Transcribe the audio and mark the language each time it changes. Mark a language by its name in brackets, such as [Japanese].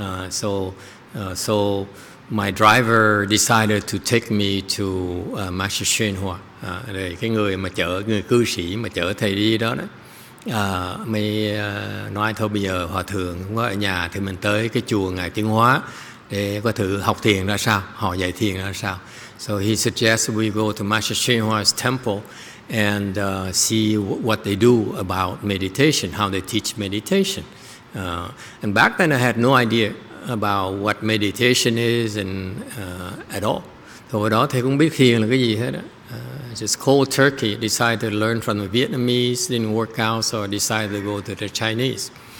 [English] So my driver decided to take me to Master Xuyên Hòa. [Vietnamese] Rồi cái người cư sĩ mà chở thầy đi đó, mới nói thôi bây giờ hòa thượng không có ở nhà thì mình tới cái chùa Ngài Tiến Hóa để có thử học thiền ra sao, họ dạy thiền ra sao. [English] So he suggests we go to Master Srinivas temple and see what they do about meditation, how they teach meditation. And back then I had no idea about what meditation is and at all. [Vietnamese] So hồi đó thầy cũng biết thiền là cái gì hết á. [English] Just cold turkey, decided to learn from the Vietnamese, didn't work out, so I decided to go to the Chinese.